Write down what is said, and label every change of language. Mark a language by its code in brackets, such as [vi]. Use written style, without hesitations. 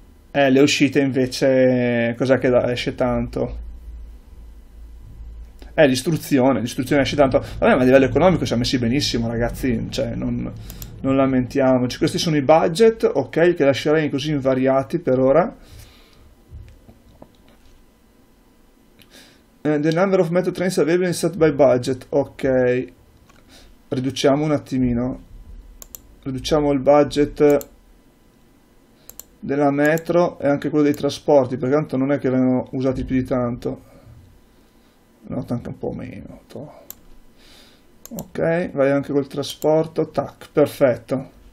[it] Le uscite invece, cos'è che esce tanto? L'istruzione esce tanto. Vabbè, ma a livello economico siamo messi benissimo, ragazzi, cioè non lamentiamoci. Questi sono i budget, ok, che lascerei così invariati per ora. [en] The number of metro trains available set by budget, ok. [it] Riduciamo un attimino, riduciamo il budget della metro e anche quello dei trasporti, perché tanto non è che vengono usati più di tanto, no, tanto un po' meno. Ok, vai anche col trasporto, tac, perfetto.